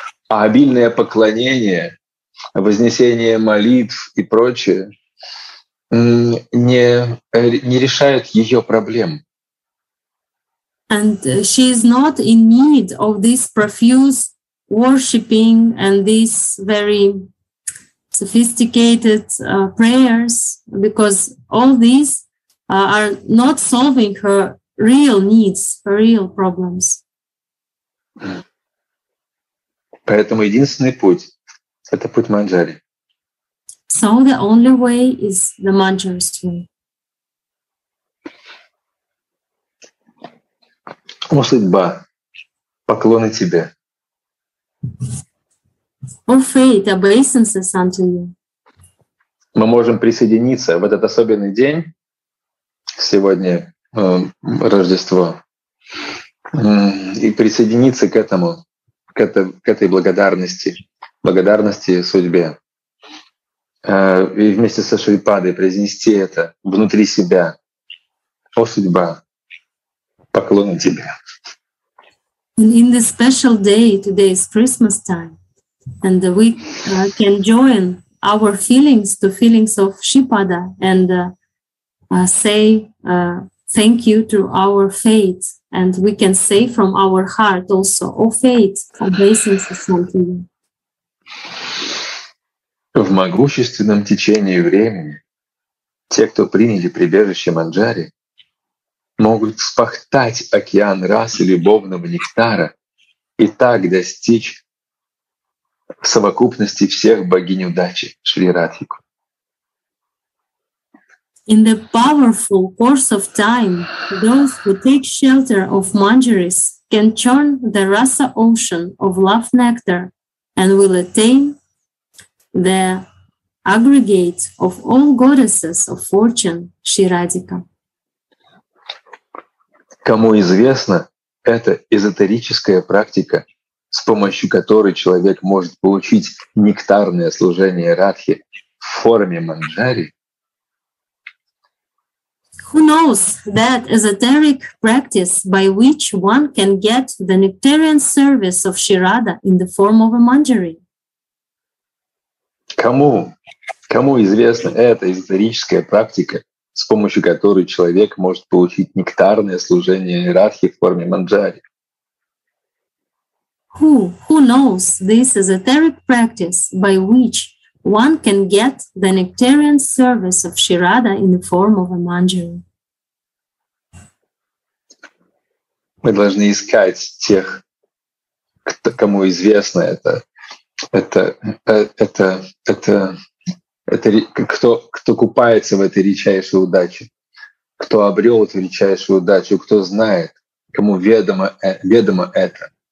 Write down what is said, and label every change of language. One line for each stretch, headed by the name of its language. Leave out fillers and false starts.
Russian: Обильное поклонение, вознесение молитв и прочее не решают ее проблем.
English: And she is not in need of this profuse worshipping and this very sophisticated prayers, because all these are not solving her real needs, her real problems.
Russian: Поэтому единственный путь — это путь манджари.
English: So the only way is the manjari's way.
Russian: О, судьба, поклоны тебе.
English: О, fate, obeisances unto you.
Russian: Мы можем присоединиться в этот особенный день, сегодня Рождество, и присоединиться к этому, к этой благодарности. Благодарности судьбе. И вместе со Шри Падой произнести это внутри себя. О, судьба, поклоны тебе.
English: In this special day, today is Christmas time, and we can join our feelings to feelings of Shri Pada and say thank you to our fate, and we can say from our heart also, O fate, obeisances unto you.
Russian: В могущественном течении времени те, кто приняли прибежище манджари, могут вспахтать океан расы любовного нектара и так достичь совокупности всех богинь удачи Шри Радхику.
English: In the powerful course of time, those who take shelter of manjaris can churn the rasa ocean of love nectar and will attain the aggregate of all goddesses of fortune, Shri Radhika.
Russian: Кому известно, это эзотерическая практика, с помощью которой человек может получить нектарное служение Радхи в форме манджари.
English: Who knows that esoteric practice by which one can get the nectarian service of Shri Radha in the form of a manjari?
Russian: Кому известна эта эзотерическая практика, с помощью которой человек может получить нектарное служение Радхи в форме манджари?
English: Who knows this esoteric practice by which one can get the nectarian service of Shri Radha in the form of a manjari?
Russian: Мы должны искать тех, кому известно кто купается в этой редчайшей удаче, кто обрел эту редчайшую удачу, кто знает, кому ведомо это.